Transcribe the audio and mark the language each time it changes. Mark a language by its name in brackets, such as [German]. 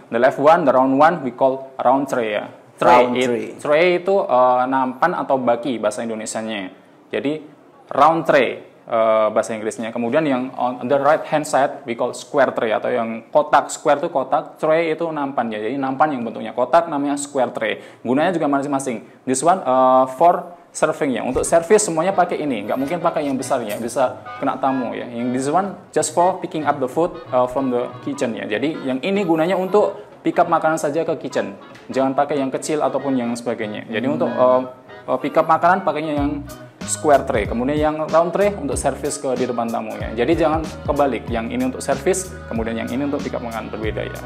[English] The left one, the round one, we call round tray. Tray [Indonesian] itu nampan atau baki bahasa Indonesianya. Jadi round tray bahasa Inggrisnya. Kemudian yang [English] on the right hand side we call square tray, [Indonesian] atau yang kotak, square itu kotak, tray itu nampan ya. Jadi nampan yang bentuknya kotak namanya square tray. Gunanya juga masing-masing. [English] This one for serving [Indonesian] ya. Untuk service semuanya pakai ini. Enggak mungkin pakai yang besar ya. Bisa kena tamu ya. [English] Yang this one just for picking up the food from the kitchen ya. [Indonesian] Jadi yang ini gunanya untuk pick up makanan saja ke kitchen. Jangan pakai yang kecil ataupun yang sebagainya. Jadi untuk pick up makanan pakainya yang square tray, kemudian yang round tray untuk service ke di depan tamu ya. Jadi jangan kebalik, yang ini untuk service, kemudian yang ini untuk pick up makanan, berbeda ya.